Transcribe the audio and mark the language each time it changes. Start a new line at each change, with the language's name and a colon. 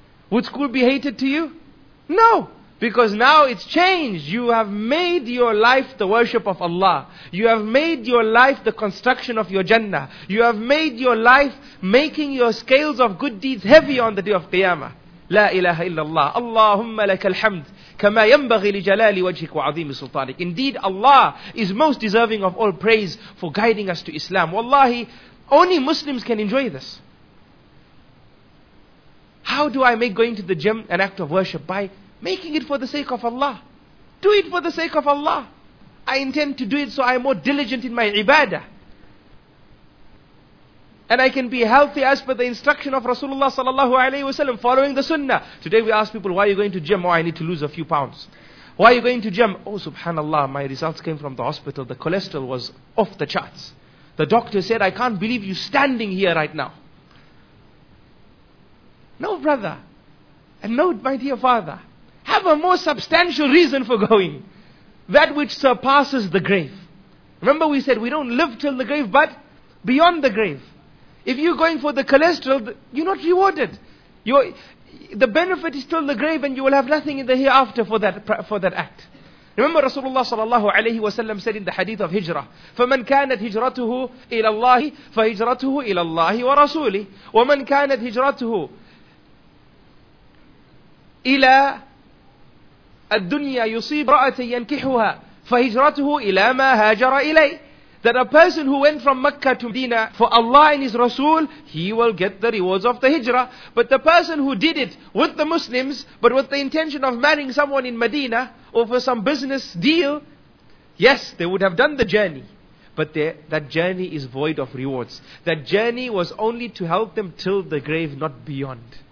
English: Would school be hated to you? No, because now it's changed. You have made your life the worship of Allah. You have made your life the construction of your Jannah. You have made your life making your scales of good deeds heavy on the day of Qiyamah.
Arabic: لا إله إلا الله اللهم لك الحمد كما ينبغي لجلال وجهك وعظيم سلطانك.
English: Indeed, Allah is most deserving of all praise for guiding us to Islam. Wallahi, only Muslims can enjoy this. How do I make going to the gym an act of worship? By making it for the sake of Allah. Do it for the sake of Allah. I intend to do it so I am more diligent in my ibadah. And I can be healthy as per the instruction of Rasulullah sallallahu alayhi wasallam, following the sunnah. Today we ask people, why are you going to gym? Oh, I need to lose a few pounds. Why are you going to gym? Oh, subhanallah, my results came from the hospital. The cholesterol was off the charts. The doctor said, I can't believe you standing here right now. No, brother. And no, my dear father. Have a more substantial reason for going. That which surpasses the grave. Remember we said, we don't live till the grave, but beyond the grave. If you're going for the cholesterol, you're not rewarded. The benefit is still the grave, and you will have nothing in the hereafter for that act. Remember Rasulullah sallallahu alayhi wa sallam said in the hadith of hijrah,
Arabic: فَمَنْ كَانَتْ هِجْرَتُهُ إِلَى اللَّهِ فَهِجْرَتُهُ إِلَى اللَّهِ وَرَسُولِهِ وَمَنْ كَانَتْ هِجْرَتُهُ إِلَى الدُّنْيَا يُصِيبْ رَأَتَ يَنْكِحُهَا فَهِجْرَتُهُ إِلَى مَا هَاجَرَ إِلَيْهِ.
English: That a person who went from Makkah to Medina for Allah and His Rasul, he will get the rewards of the Hijrah. But the person who did it with the Muslims, but with the intention of marrying someone in Medina, or for some business deal, yes, they would have done the journey. But that journey is void of rewards. That journey was only to help them till the grave, not beyond.